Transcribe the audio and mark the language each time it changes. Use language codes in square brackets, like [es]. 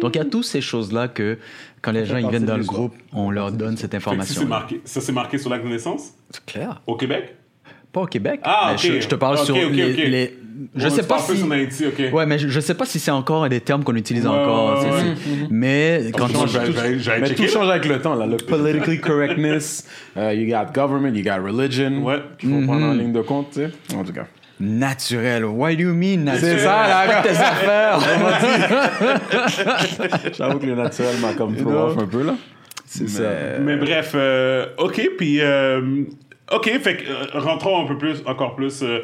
[fr] Donc il y a toutes ces choses-là que quand les gens ils viennent dans le groupe, on leur donne cette information. Ça s'est marqué sur l'acte de naissance? C'est clair. Au Québec? Pas au Québec. Ah, mais okay. Je te parle les... Je sais pas si. Ouais, mais je sais pas si c'est encore des termes qu'on utilise encore. Ouais, ouais. Mais quand on mais tout change avec le temps là. [en] Le politically correctness, you got government, you got religion. [fr] Ouais. Qu'il faut prendre en ligne de compte, tu sais. En tout cas. [en] Naturel. Why do you mean naturel? [fr] C'est ça, là, avec tes affaires. J'avoue que le naturel m'a comme [en] throw off [fr] un peu là. C'est ça. Mais bref, ok, puis ok, fait que rentrons un peu plus, encore plus.